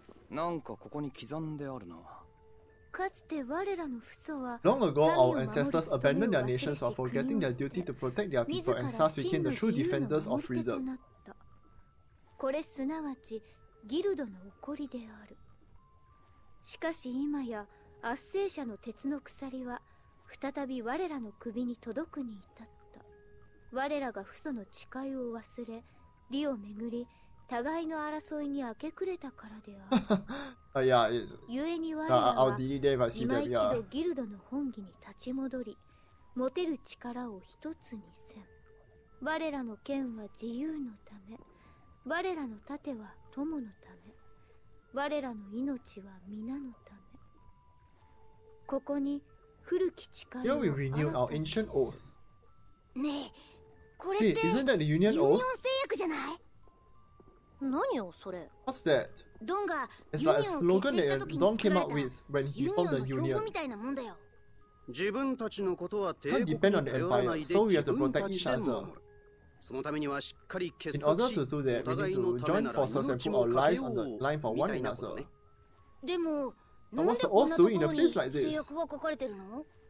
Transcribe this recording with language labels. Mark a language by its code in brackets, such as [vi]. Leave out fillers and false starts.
[ja] なんかここに刻んであるな。かつて我らの父祖は、 [en] Long ago, our ancestors abandoned their nations while forgetting their duty to protect their people, and thus became the true defenders of freedom. [ja] これすなわちギルドの誇りである。しかし今や圧政者の鉄の鎖は再び我らの首に届くに至った。我らが父祖の誓いを忘れ、利をめぐり。互いの争いに明け暮れたからである。あ、いや、いいです。ゆえに我らは今一度ギルドの本気に立ち戻り、持てる力を一つにせん。我らの剣は自由のため、我らの盾は友のため、我らの命は皆のため。ここに古き誓いを新たにせん。ねえ、これってユニオン制約じゃない？何をそれ [en] What's that? [ja] ドンが [en] It's like a slogan that Don came up with when he formed the union. [ja] みたいなもんだよ。自分たちのことは帝国に頼らないで、自分たちでも守る。そのためにはしっかり結束し、お互いのためなら命もかけよう。みたいなことね。でも、なんでこんなところに契約は書かれてるの？